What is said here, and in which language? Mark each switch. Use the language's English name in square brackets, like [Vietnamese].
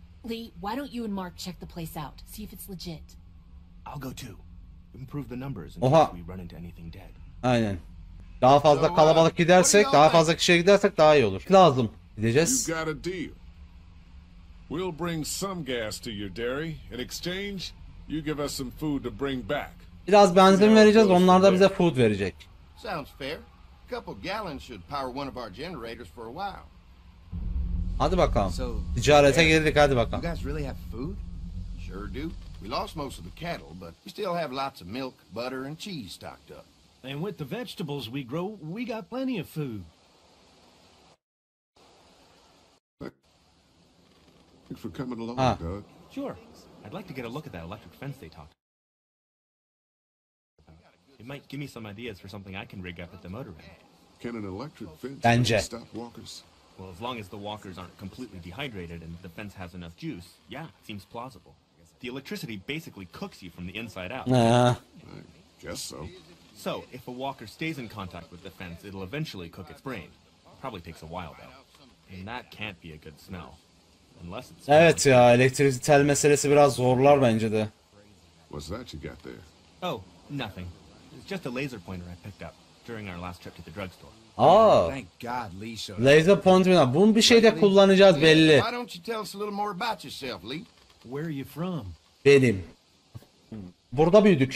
[English] Lee, why don't you and Mark check the place out? See if it's legit. I'll go too. Improve the numbers in case we run into anything dead. [Turkish] Aynen. Daha fazla kalabalık gidersek, daha fazla kişiye gidersek daha iyi olur. Lazım. Gideceğiz. [English] You got a deal. We'll bring some gas to your dairy. In exchange, you give us some food to bring back. [Turkish] Biraz benzin vereceğiz, onlar da bize food verecek. [English] Sounds fair. A couple gallons should power one of our generators for a while. [Turkish] Hadi bakalım. Ticarete girdik, hadi bakalım. [English] You guys really have food? Sure do. We lost most of the cattle, but we still have lots of milk, butter and cheese stocked up. And with the vegetables we grow, we got plenty of food. Thanks for coming along, Doug. Sure. I'd like to get a look at that electric fence they talked about. It might give me some ideas for something I can rig up at the motor end. Can an electric fence stop walkers? Well, as long as the walkers aren't completely dehydrated and the fence has enough juice, yeah, it seems plausible. The electricity basically cooks you from the inside out. Guess so. So, if a walker stays in contact with the fence, it'll eventually cook its brain. Probably takes a while, though. And that can't be a good smell. Unless it's... [Turkish] Evet ya, elektrik tel meselesi biraz zorlar bence de. [English] What's that you got there? Oh, nothing. It's just a laser pointer I picked up during our last trip to the drugstore. [Turkish] Aa, laser pointer. Bunu bir şeyde kullanacağız belli. [English] Why don't you tell us a little more about yourself, Lee? Where are you from? [Turkish] Benim. Burada büyüdük.